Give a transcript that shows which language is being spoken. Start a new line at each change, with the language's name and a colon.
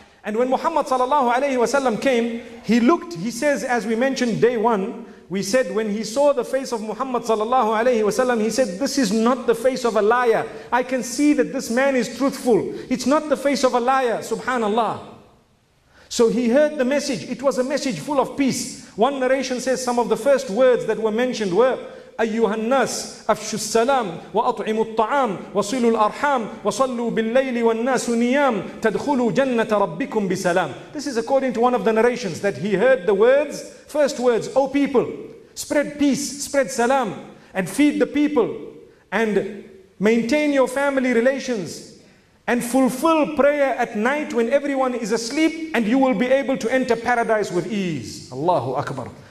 English: And when Muhammad sallallahu alayhi wa sallam came, he looked, he says, as we mentioned day one, we said when he saw the face of Muhammad sallallahu alayhi wa sallam, he said, this is not the face of a liar. I can see that this man is truthful. It's not the face of a liar, subhanallah. So he heard the message. It was a message full of peace. One narration says some of the first words that were mentioned were,
Arabic: أَيُّهَا النَّاسِ أَفْشُوا السَّلَامِ وَأَطْعِمُوا الطَّعَامِ وَصِلُوا الْأَرْحَامِ وَصَلُّوا بِالْلَّيْلِ وَالنَّاسُ نِيَامِ تَدْخُلُوا جَنَّةَ رَبِّكُمْ بِسَلَامِ.
English: This is according to one of the narrations that he heard the words, first words, O people, spread peace, spread salam, and feed the people, and maintain your family relations, and fulfill prayer at night when everyone is asleep, and you will be able to enter paradise with ease. Allahu Akbar.